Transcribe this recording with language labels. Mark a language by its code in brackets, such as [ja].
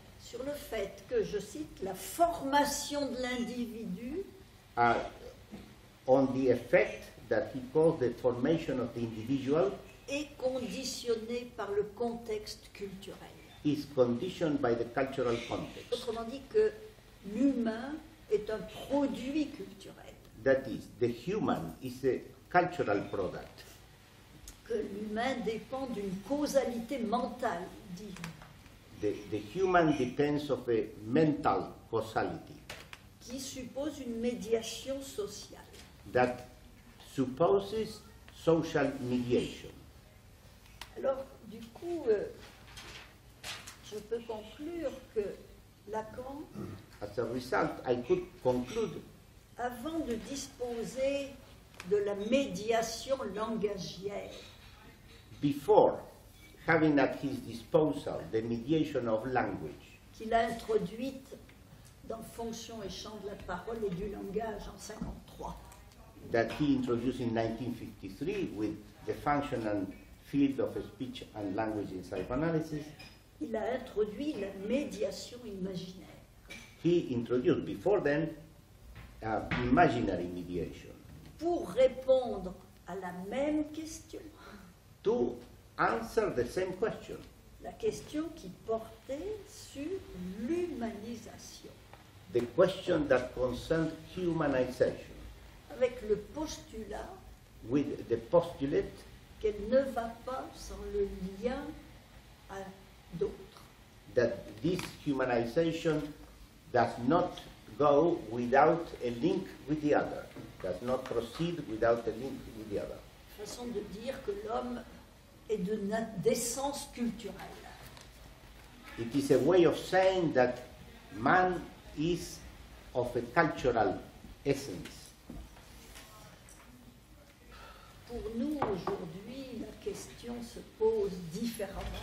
[fr] sur le fait que, je cite, la formation de l'individu [en] on the effect that he calls the formation of the individual [fr] est conditionné par le contexte culturel. [en] Is conditioned by the cultural context. [fr] Autrement dit que l'humain est un produit culturel. [en] That is, the human is a cultural product. [fr] Que l'humain dépend d'une causalité mentale, dit. [en] The human depends of a mental causality. [fr] Qui suppose une médiation sociale. [en] That supposes social mediation. [fr] Alors, du coup, je peux conclure que Lacan, [en] as a result, I could conclude, [fr] avant de disposer de la médiation langagière, [en] before having at his disposal the mediation of language, [fr] qu'il a introduite dans Fonction et champ de la parole et du langage en 53, [en] that he introduced in 1953 with the function and field of speech and language in psychoanalysis, [fr] il a introduit la médiation imaginaire. [en] He introduced before then imaginary mediation. [fr] Pour répondre à la même question. [en] To answer the same question. [fr] La question qui portait sur l'humanisation. [en] The question that concerned humanization. [fr] Avec le postulat. [en] With the postulate. [fr] Qu'elle ne va pas sans le lien à d'autres. [en] That this humanization does not go without a link with the other. Does not proceed without a link with the other. [fr] Façon de dire que l'homme est de d'essence culturelle. [en] It is a way of saying that man is of a cultural essence. [fr] Pour nous aujourd'hui, la question se pose différemment.